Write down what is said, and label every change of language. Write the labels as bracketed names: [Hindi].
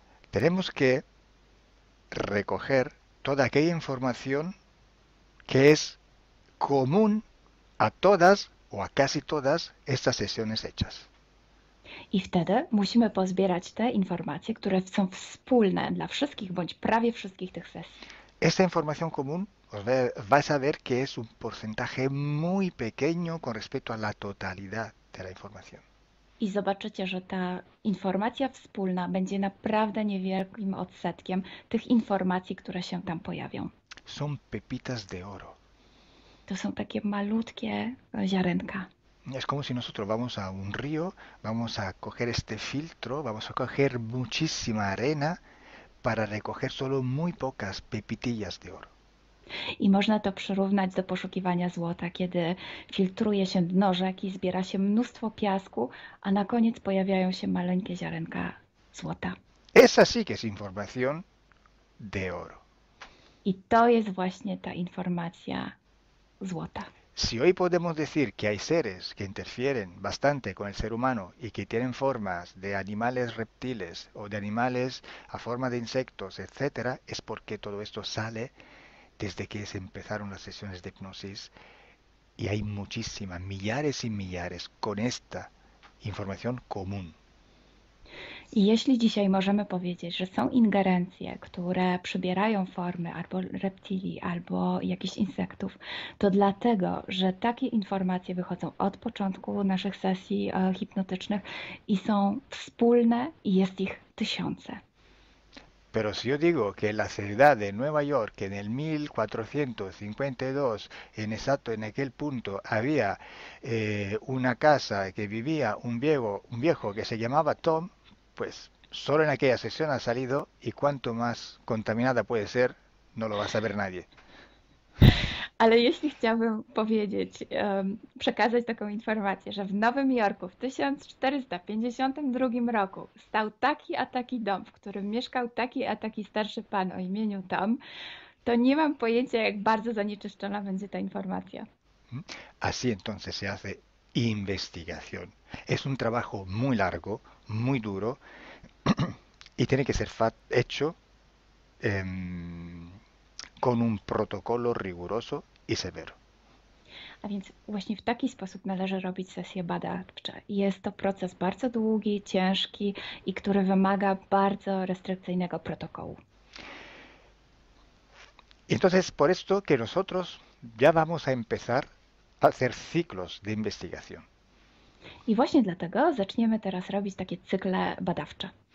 [Spanish] Tenemos que recoger toda aquella información que es común a todas o a casi todas estas sesiones hechas. [Polish] I wtedy musimy pozbierać te informacje, które są wspólne dla wszystkich bądź prawie wszystkich tych sesji. [Spanish] Esta información común, vais a ver que es un porcentaje muy pequeño con respecto a la totalidad de la información. [Polish] I zobaczycie, że ta informacja wspólna będzie naprawdę niewielkim odsetkiem tych informacji, które się tam pojawią. [Spanish] Son pepitas de oro. [Polish] To są takie malutkie ziarenka. [Spanish] Es como si nosotros vamos a un río, vamos a coger este filtro, vamos a coger muchísima arena para recoger solo muy pocas pepitillas de oro. [Polish] I można to przyrównać do poszukiwania złota, kiedy filtruje się dno rzeki, zbiera się mnóstwo piasku, a na koniec pojawiają się maleńkie ziarenka złota. [Spanish] Esa sí que es información de oro. [Polish] I to jest właśnie ta informacja złota. [Spanish] Si hoy podemos decir que hay seres que interfieren bastante con el ser humano y que tienen formas de animales reptiles o de animales a forma de insectos, etc., es porque todo esto sale desde que se empezaron las sesiones de hipnosis y hay muchísimas, millares y millares con esta información común. [Polish] I jeśli dzisiaj możemy powiedzieć, że są ingerencje, które przybierają formy albo reptilii, albo jakichś insektów, to dlatego, że takie informacje wychodzą od początku naszych sesji hipnotycznych i są wspólne i jest ich tysiące. [Spanish] Pero si yo digo que la ciudad de Nueva York en el 1452, en exacto en aquel punto, había una casa que vivía un viejo que se llamaba Tom, pues solo en aquella sesión ha salido y cuanto más contaminada puede ser, no lo va a saber nadie. [Polish] Ale jeśli chciałbym powiedzieć, przekazać taką informację, że w Nowym Jorku w 1452 roku stał taki a taki dom, w którym mieszkał taki a taki starszy pan o imieniu Tom, to nie mam pojęcia, jak bardzo zanieczyszczona będzie ta informacja. [Spanish] Así entonces se hace investigación. Es un trabajo muy largo, muy duro y tiene que ser hecho con un protokolo riguroso i severo. [Polish] A więc właśnie w taki sposób należy robić sesje badawcze. Jest to proces bardzo długi, ciężki i który wymaga bardzo restrykcyjnego protokołu. [Spanish] Entonces, por esto que nosotros ya vamos a empezar a hacer ciclos de investigación. [Polish] I właśnie dlatego zaczniemy teraz robić takie cykle badawcze.